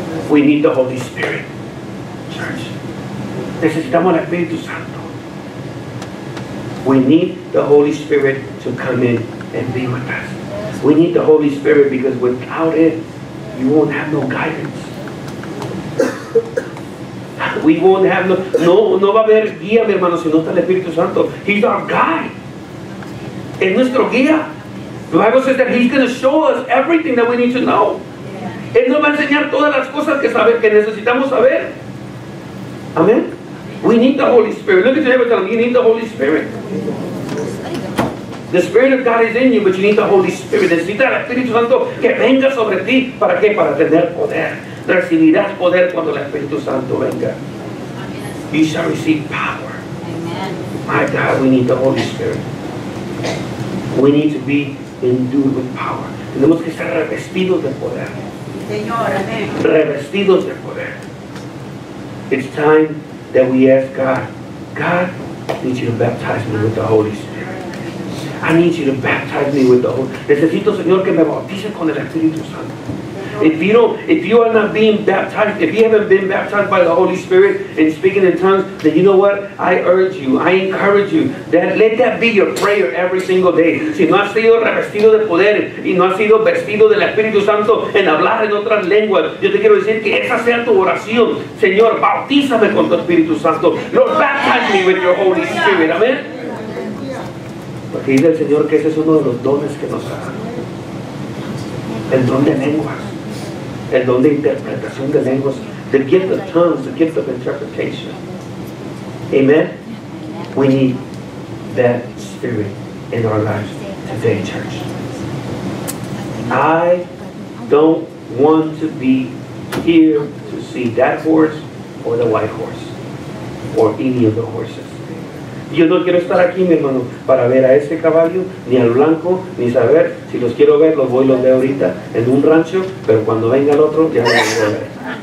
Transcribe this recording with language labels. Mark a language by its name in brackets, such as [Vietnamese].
[English] We need the Holy Spirit. Church. [Spanish] Necesitamos el Espíritu Santo. [English] We need the Holy Spirit to come in and be with us. We need the Holy Spirit because without it, you won't have no guidance. We won't have no... [Spanish] No va a haber guía, mi hermano, si no está el Espíritu Santo. [English] He's our guide. [Spanish] En nuestro guía. [English] The Bible says that he's going to show us everything that we need to know. Yeah. [Spanish] Él nos va a enseñar todas las cosas que, sabe, que necesitamos saber. [English] Amen. We need the Holy Spirit. Look at your neighbor and tell him, you need the Holy Spirit. The Spirit of God is in you, but you need the Holy Spirit. [Spanish] Necesita el Espíritu Santo que venga sobre ti. ¿Para qué? Para tener poder. Recibirás poder cuando el Espíritu Santo venga. [English] You shall receive power. Amen. My God, we need the Holy Spirit. We need to be endued with power. [Spanish] Tenemos que estar revestidos de poder. Señor, amén. Revestidos de poder. [English] It's time that we ask God, God, I need you to baptize me with the Holy Spirit. I need you to baptize me with the Holy Spirit. [Spanish] Necesito, Señor, que me bautice con el Espíritu Santo. [English] If you are not being baptized, if you haven't been baptized by the Holy Spirit and speaking in tongues, then you know what? I urge you, I encourage you, that let that be your prayer every single day. [Spanish] Si no has sido revestido de poder y no has sido vestido del Espíritu Santo en hablar en otras lenguas, yo te quiero decir que esa sea tu oración. Señor, bautízame con tu Espíritu Santo. [English] Lord, baptize me with your Holy Spirit. Amen. [Spanish] Porque dice el Señor que ese es uno de los dones que nos da. El don de lenguas. El don de interpretación de lenguas. [English] The gift of tongues, the gift of interpretation. Amen. We need that spirit in our lives today, church. I don't want to be here to see that horse or the white horse or any of the horses. [Spanish] Yo no quiero estar aquí, mi hermano, para ver a ese caballo, ni al blanco, ni saber si los quiero ver, los voy y los veo ahorita en un rancho, pero cuando venga el otro, ya no los voy a ver.